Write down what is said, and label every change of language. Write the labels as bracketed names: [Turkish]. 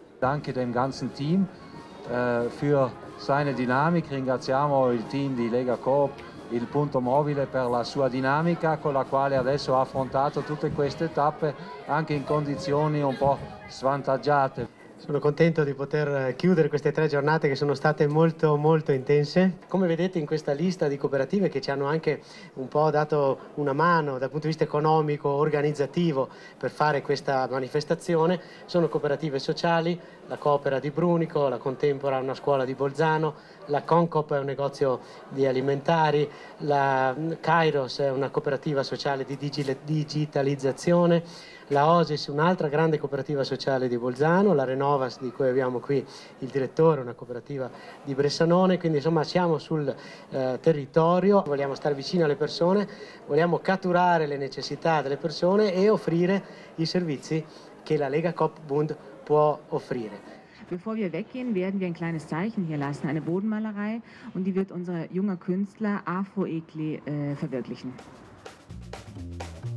[German] Danke dem ganzen Team für seine Dynamik. [Italian] Ringraziamo il team di Lega Coop, il Punto Mobile per la sua dinamica con la quale adesso ha affrontato tutte queste tappe anche in condizioni un po' svantaggiate. Sono contento di poter chiudere queste tre giornate che sono state molto molto intense. Come vedete in questa lista di cooperative che ci hanno anche un po' dato una mano dal punto di vista economico, organizzativo per fare questa manifestazione, sono cooperative sociali, la Coopera di Brunico, la Contempora è una scuola di Bolzano, la Concop è un negozio di alimentari, la Kairos è una cooperativa sociale di digitalizzazione, la Osis, un'altra grande cooperativa sociale di Bolzano, la Renovas, di cui abbiamo qui il direttore, una cooperativa di Bressanone. Quindi insomma siamo sul territorio, vogliamo stare vicino alle persone, vogliamo catturare le necessità delle persone e offrire i servizi che la Lega CoopBund può offrire. [German] Bevor wir weggehen, werden wir ein kleines Zeichen hier lassen, eine Bodenmalerei, und die wird unser junger Künstler Afro Ekli verwirklichen.